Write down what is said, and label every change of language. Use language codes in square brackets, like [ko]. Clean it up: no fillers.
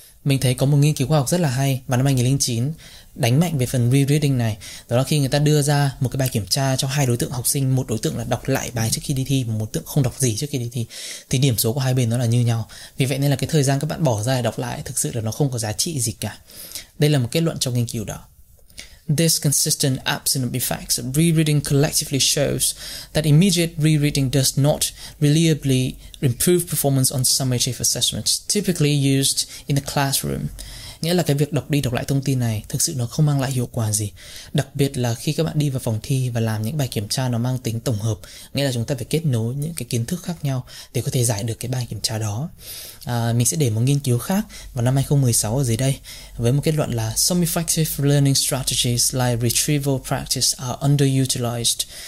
[vi] Mình thấy có một nghiên cứu khoa học rất là hay vào năm 2009 đánh mạnh về phần rereading này. Đó là khi người ta đưa ra một cái bài kiểm tra cho hai đối tượng học sinh, một đối tượng là đọc lại bài trước khi đi thi và một đối tượng không đọc gì trước khi đi thi, thì điểm số của hai bên nó là như nhau. Vì vậy nên là cái thời gian các bạn bỏ ra để đọc lại thực sự là nó không có giá trị gì cả. Đây là một kết luận trong nghiên cứu đó. [en] This consistent absence of effects of rereading collectively shows that immediate rereading does not reliably improve performance on summative assessments typically used in the classroom. [vi] Nghĩa là cái việc đọc đi đọc lại thông tin này thực sự nó không mang lại hiệu quả gì, đặc biệt là khi các bạn đi vào phòng thi và làm những bài kiểm tra nó mang tính tổng hợp, nghĩa là chúng ta phải kết nối những cái kiến thức khác nhau để có thể giải được cái bài kiểm tra đó. Mình sẽ để một nghiên cứu khác vào năm 2016 ở dưới đây với một kết luận là [en] some effective learning strategies like retrieval practice are underutilized.